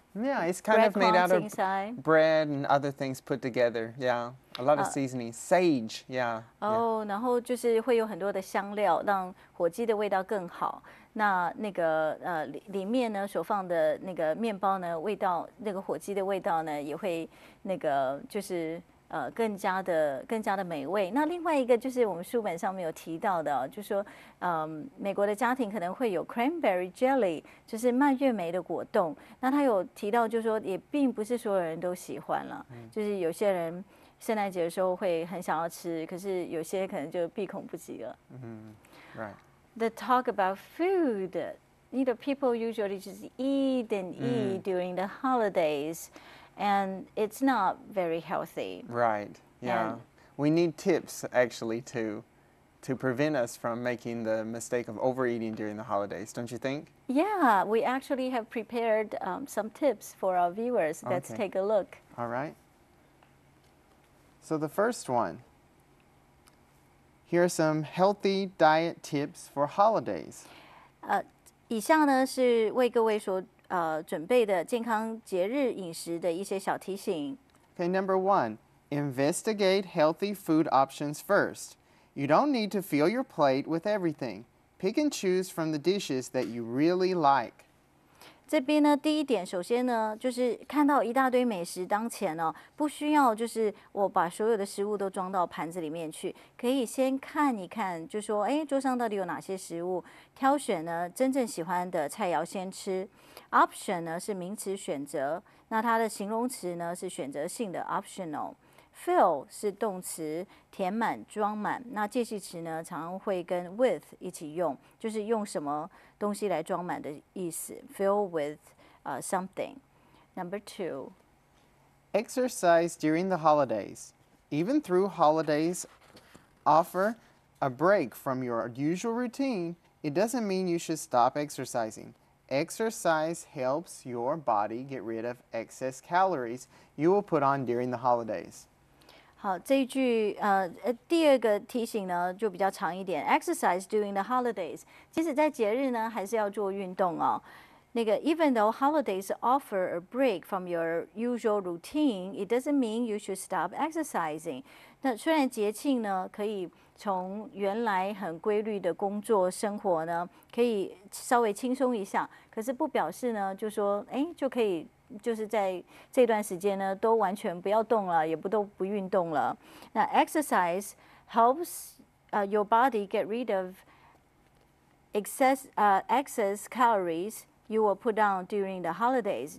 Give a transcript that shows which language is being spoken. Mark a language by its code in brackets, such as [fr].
[en] Yeah, it's kind of made out of bread and other things put together. Yeah, a lot of seasoning. Sage, yeah. Oh, yeah. [zh] 然后就是会有很多的香料让火鸡的味道更好。那那个里面呢所放的那个面包呢，味道那个火鸡的味道呢也会那个就是更加的美味。那另外一个就是我们书本上面有提到的，就是美国的家庭可能会有 cranberry jelly， 就是蔓越莓的果冻。那他有提到就是说也并不是所有人都喜欢了，就是有些人圣诞节的时候会很想要吃，可是有些可能就闭口不及了。 [en] Right. The talk about food, you know, people usually just eat and eat during the holidays, and it's not very healthy. Right. Yeah. And we need tips actually to prevent us from making the mistake of overeating during the holidays, don't you think? Yeah, we actually have prepared some tips for our viewers. Let's take a look. All right. So the first one, here are some healthy diet tips for holidays. [zh] 以上呢是为各位所准备的健康节日饮食的一些小提醒。 [en] Okay, number one, investigate healthy food options first. You don't need to fill your plate with everything. Pick and choose from the dishes that you really like. [zh] 这边呢，第一点，首先呢，就是看到一大堆美食当前哦，不需要就是我把所有的食物都装到盘子里面去，可以先看一看，就说，哎，桌上到底有哪些食物，挑选呢真正喜欢的菜肴先吃。 Option 呢是名词选择，那它的形容词呢是选择性的 optional。 Fill 是动词，填满、装满。那介系词呢，常常会跟 with 一起用，就是用什么东西来装满的意思。 [en] Fill with something. Number two. Exercise during the holidays. Even though holidays offer a break from your usual routine, it doesn't mean you should stop exercising. Exercise helps your body get rid of excess calories you will put on during the holidays. [zh] 好，这一句第二个提醒呢就比较长一点。 [en] Exercise during the holidays， [zh] 即使在节日呢，还是要做运动哦。 [en] 那个 ，even though holidays offer a break from your usual routine， it doesn't mean you should stop exercising。 [zh] 那虽然节庆呢可以从原来很规律的工作生活呢，可以稍微轻松一下，可是不表示呢，就说哎就可以。就是在这段时间呢，都完全不要动了，也不都不运动了。 [en] 那 exercise helps your body get rid of excess calories you will put down during the holidays.